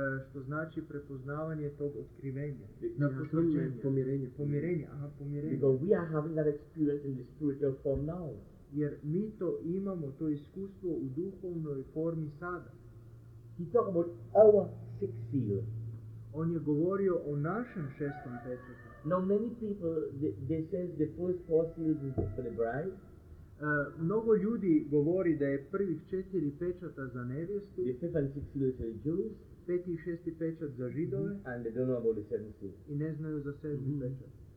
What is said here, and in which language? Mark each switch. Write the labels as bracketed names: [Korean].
[Serbian] Što znači prepoznavanje tog otkrivenja. Na posljednje pomirenje. Pomirenje, aha, pomirenje. [English] Because we are having that experience in the spiritual form now. [Serbian] Jer mi to imamo, to iskustvo u duhovnoj formi sada. [English] He talk about our sixth seal. [Serbian] On je govorio o našem šestom pečatu. [English] Now many people they say the first four seals is for the bride. [Serbian] Mnogo ljudi govori da je prvih četiri pečata za nevjestu. [English] The fifth and sixth seal is for the Jews. [Serbian] Peti i šesti pečat za Židove. Mm-hmm. [English] And they don't know about the seventh seal. [Serbian] I ne znaju za sedmi pečat.